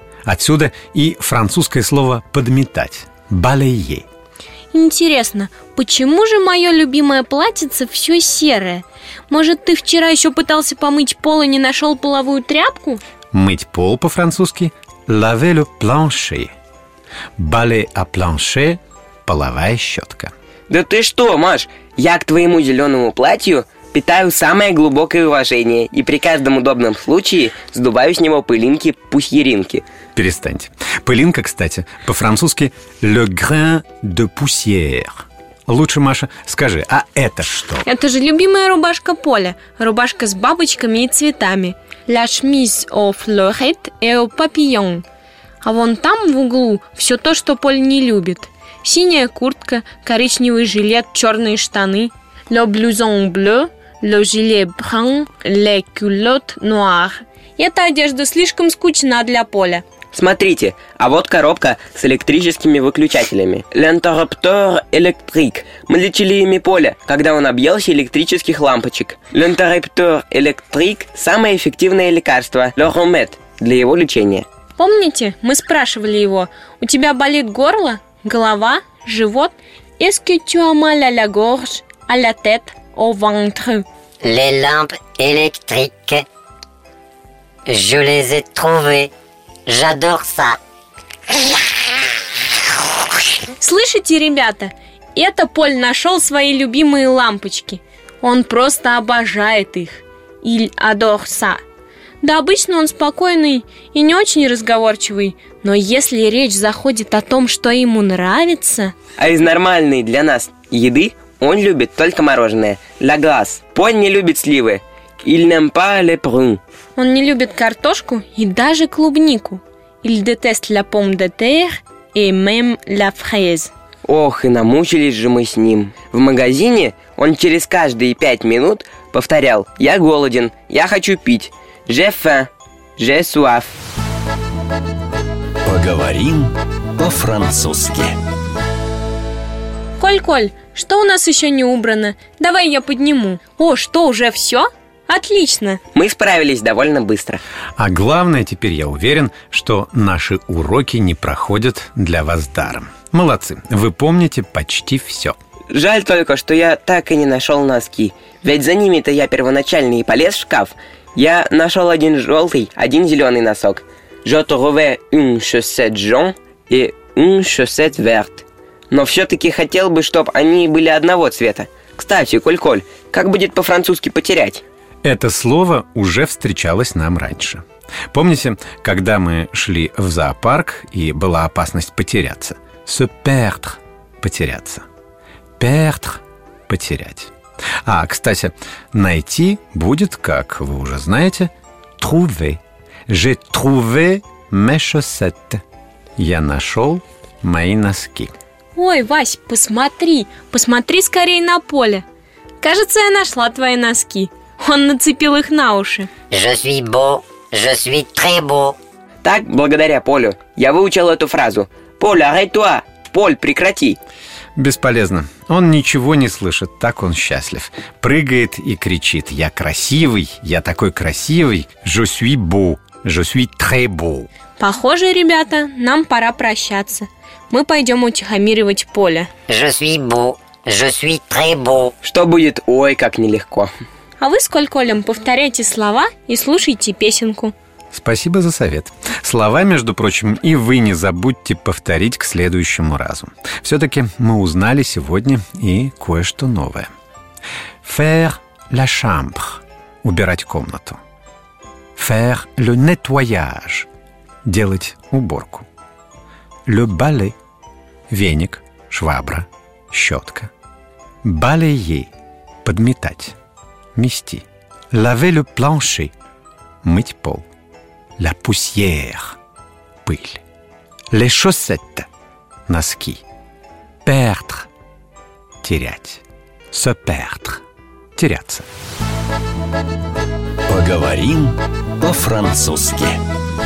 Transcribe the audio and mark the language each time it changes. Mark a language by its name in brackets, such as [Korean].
[Russian] Отсюда и французское слово «подметать» – «балейе». Интересно, почему же мое любимое платьице все серое? Может, ты вчера еще пытался помыть пол и не нашел половую тряпку? Мыть пол по-французски [French] «laver le plancher». «Balai à plancher» – [Russian] половая щетка. Да ты что, Маш, я к твоему зеленому платью питаю самое глубокое уважение и при каждом удобном случае сдуваю с него пылинки-пусьеринки. Перестаньте. Пылинка, кстати, по-французски [French] «le grain de poussière». [Russian] Лучше, Маша, скажи, а это что? Это же любимая рубашка Поля. Рубашка с бабочками и цветами. [French] La chemise aux fleurs et aux papillons. [Russian] А вон там, в углу, все то, что Поля не любит. Синяя куртка, коричневый жилет, черные штаны. [French] Le blouson bleu, le gilet brun, les culottes noires. [Russian] Эта одежда слишком скучна для Поля. Смотрите, а вот коробка с электрическими выключателями. [French] L'interrupteur électrique. [Russian] Мы лечили ими Поля, когда он объелся электрических лампочек. [French] L'interrupteur électrique [Russian] – самое эффективное лекарство, le remède, для его лечения. Помните, мы спрашивали его, у тебя болит горло, голова, живот? [French] Est-ce que tu as mal à la gorge, à la tête, au ventre? Les lampes électriques. Je les ai trouvées. J'adore ça. [Russian] Слышите, ребята? Это Поль нашел свои любимые лампочки. Он просто обожает их. [French] Il adore ça. [Russian] Да, обычно он спокойный и не очень разговорчивый, но если речь заходит о том, что ему нравится... А из нормальной для нас еды он любит только мороженое. [French] La glace. [Russian] Поль не любит сливы. [French] Il n'aime pas les prunes. [Russian] Он не любит картошку и даже клубнику. [French] Il déteste la pomme de terre et même la fraise. [Russian] Ох, и намучились же мы с ним. В магазине он через каждые 5 минут повторял: «Я голоден, я хочу пить». [French] J'ai faim, j'ai soif. [Russian] Поговорим по-французски. Коль-Коль, что у нас еще не убрано? Давай я подниму. О, что, уже все? Отлично! Мы справились довольно быстро. А главное, теперь я уверен, что наши уроки не проходят для вас даром. Молодцы, вы помните почти все. Жаль только, что я так и не нашел носки. Ведь за ними-то я первоначально и полез в шкаф. Я нашел один желтый, один зеленый носок. [French] Je trouvais une chaussette jaune et une chaussette verte. [Russian] Но все-таки хотел бы, чтобы они были одного цвета. Кстати, Коль-Коль, как будет по-французски потерять? Это слово уже встречалось нам раньше. Помните, когда мы шли в зоопарк и была опасность потеряться? [French] Se perdre – потеряться. [Russian] Perdre – потерять. А, кстати, найти будет, как вы уже знаете, trouver. [French] J'ai trouvé mes chaussettes. [Russian] Я нашел мои носки. Ой, Вась, посмотри, посмотри скорее на Поле. Кажется, я нашла твои носки. Он нацепил их на уши. [French] Je suis beau, je suis très beau. [Russian] Так, благодаря Полю, я выучил эту фразу. Поль, [French] arrête-toi. [Russian] Поль, прекрати. Бесполезно. Он ничего не слышит, так он счастлив. Прыгает и кричит: «Я красивый, я такой красивый! [French] Je suis beau, je suis très beau!» [Russian] Похоже, ребята, нам пора прощаться. Мы пойдем утихомиривать Поля. [French] Je suis beau, je suis très beau! [Russian] Что будет, ой, как нелегко. А вы с Коль-Колем повторяйте слова и слушайте песенку. Спасибо за совет. Слова, между прочим, и вы не забудьте повторить к следующему разу. Все-таки мы узнали сегодня и кое-что новое. [French] Faire la chambre – [Russian] убирать комнату. [French] Faire le nettoyage – [Russian] делать уборку. [French] Le balai [Russian] – веник, швабра, щетка. Balayer – подметать, мести. [French] Laver le plancher – [Russian] мыть пол. [French] La poussière – [Russian] пыль. [French] Les chaussettes – носки. Perdre – терять. Se perdre – теряться. [Russian] Поговорим по-французски.